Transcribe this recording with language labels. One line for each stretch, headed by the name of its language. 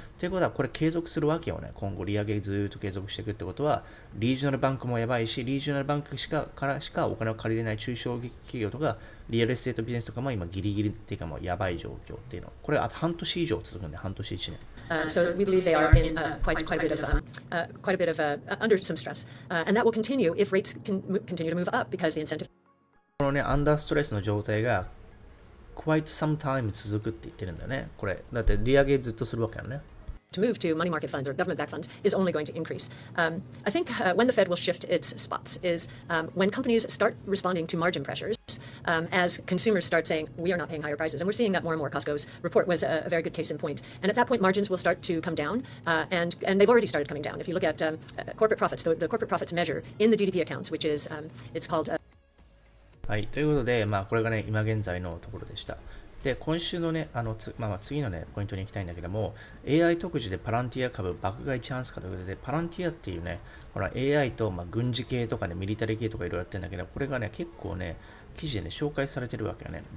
Japanese: ということは、これ継続するわけよね。今後、利上げずっと継続していくってことは、リージョナルバンクもやばいし、リージョナルバンクからしかお金を借りれない中小企業とか、リアルエステートビジネスとかも今ギリギリっていうかもうやばい状況っていうの。これあと半年以上続くんで、半年1年。
English: So we believe they are in quite a bit of under some stress. And that will continue if rates can continue to move up because the incentive...
Japanese: このね、アンダーストレスの状態が、
English: quite some time
Japanese: 続くって言ってるんだよね。これ。だって、利上げずっとするわけやんね。
English: To move to money market funds or government-backed funds is only going to increase. I think when the Fed will shift its spots is when companies start responding to margin pressures, as consumers start saying, we are not paying higher prices. And we're seeing that more and more. Costco's report was a very good case in point. And at that point, margins will start to come down, and they've already started coming down. If you look at corporate profits, the corporate profits measure in the GDP accounts, which is, it's called...
Japanese: はい。ということで、まあ、これがね、今現在のところでした。で、今週のね、次のね、ポイントに行きたいんだけども、AI 特需でパランティア株爆買いチャンスかということで、パランティアっていうね、ほら、AI と、まあ、軍事系とかね、ミリタリー系とかいろいろやってるんだけど、これがね、結構ね、記事でね、紹介されてるわけよね。